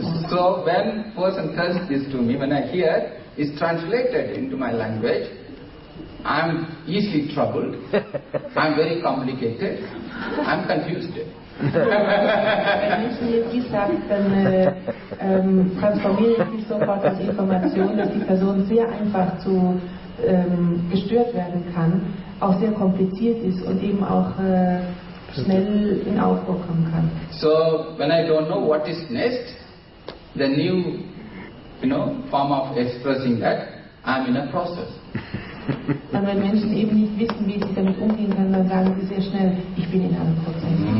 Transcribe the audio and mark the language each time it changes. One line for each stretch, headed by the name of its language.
English: So when person says this to me, when I hear it's translated into my language, I'm easily troubled, I'm very complicated, I'm confused.
German: Wenn Menschen jetzt dies sagen, dann transformiere ich mich sofort als Information, dass die Person sehr einfach zu gestört werden kann, auch sehr kompliziert ist und eben auch schnell in Aufruhr kommen kann.
English: So, when I don't know what is next, the new, you know, form of expressing that, I'm in a process.
German: Dann wenn Menschen eben nicht wissen, wie sie damit umgehen können, dann sagen sie sehr schnell, ich bin in einem Prozess.